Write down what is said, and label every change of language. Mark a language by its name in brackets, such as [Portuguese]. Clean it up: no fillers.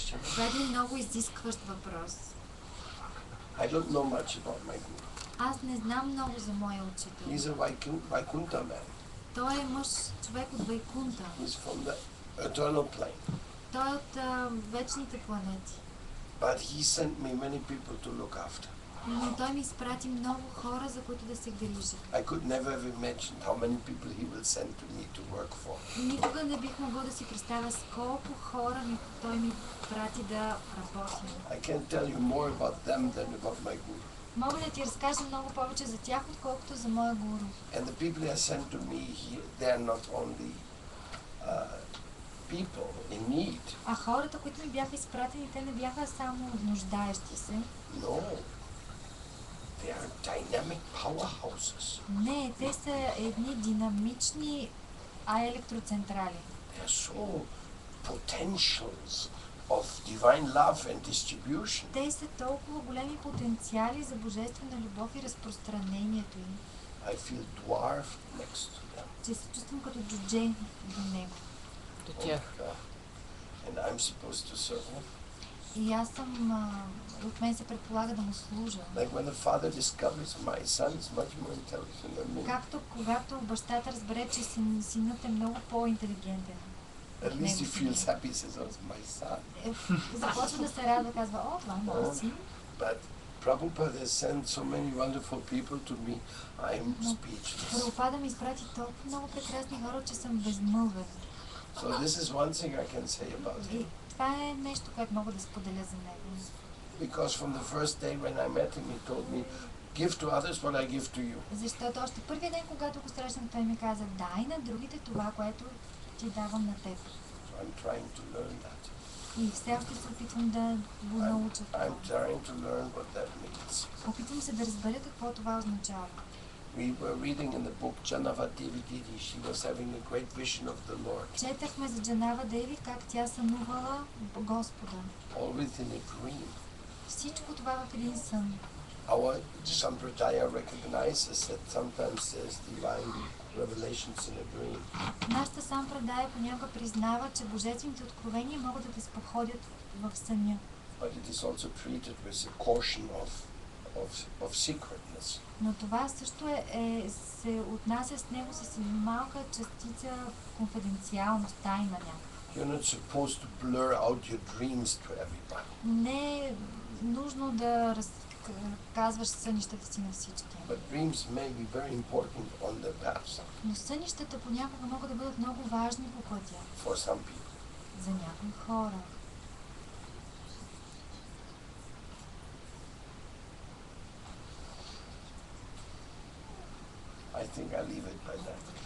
[Bulgarian] Това е много изискващ въпрос. [English] I don't know much about my guru. [Bulgarian] Аз не знам много за моя учител. [English] He's a Vaikuntha man. [Bulgarian] Той е мъж, човек от Вайкунта. [English] He's from the eternal plane. [Bulgarian] Той е от вечните планети. [English] But he sent me many people to look after. [Bulgarian] Но той ми изпрати много хора, за които да се грижа. [English] I could never have imagined how many people he will send to me to work for. [Bulgarian] Никога не бих могъл да си представя с колко хора той ми прати да работя. [English] I can't tell you more about them than about my guru. [Bulgarian] Мога да ти разкажа много повече за тях, отколкото за моя гуру. [English] And the people he sent to me, they are not only people in need. [Bulgarian] А хората, които ми бяха изпратени, те не бяха само нуждаещи се. [English] No. They are dynamic powerhouses. [Bulgarian] Не, те са едни динамични електроцентрали. [English] They are so potentials. Of divine love and distribution. [Bulgarian] Те са толкова големи потенциали за божествена любов и разпространението им. [English] I feel dwarfed next to them. [Bulgarian] Че се чувствам като джудже до него. До тях. [English] And I'm supposed to serve. [Bulgarian] И аз съм от мен се предполага да му служа. [English] Like when the father discovers my son is much more intelligent than me. [Bulgarian] Както когато бащата разбере, че синът е много по-интелигентен. [English] At least he feels happy, says, oh, it's my son. [Bulgarian] Започва да се радва, казва, о, това е мой син. [English] But Prabhupada has sent so many wonderful people to me, I'm speechless. [Bulgarian] Прабхупада ми изпрати толкова много прекрасни хора, че съм безмълвен. [English] So this is one thing I can say about him. [Bulgarian] Това е нещо, което мога да споделя за него. [English] Because from the first day when I met him, he told me, give to others what I give to you. [Bulgarian] Защото още първият ден, когато го срещнах, той ми каза, дай на другите това, което ти давам на теб. [English] So I'm trying to learn that. [Bulgarian] И все още се опитвам да го науча това. [English] I'm trying to learn what that means. [Bulgarian] Опитвам се да разбера какво това означава. [English] We were reading in the book Janava Devi Didi. She was having a great vision of the Lord. [Bulgarian] Четахме за Джанава Деви как тя сънувала Господа. [English] Always in a dream. [Bulgarian] Всичко това в един сън. [English] Our Sampradaya recognizes that sometimes there's divine revelations in a dream. [Bulgarian] Нашата Сампрадая понякога признава, че божествените откровения могат да те споходят в съня. [English] But it is also treated with a caution of secretness. [Bulgarian] Но това също се отнася с него с малка частица конфиденциалност, тайна някаква. [English] You're not supposed to blur out your dreams to everybody. [Bulgarian] Не е нужно да разказваш сънищата си на всички. [English] But dreams may be very important on the path. [Bulgarian] Но сънищата понякога могат да бъдат много важни по пътя. [English] For some people. [Bulgarian] За някои хора. [English] I think I'll leave it by that.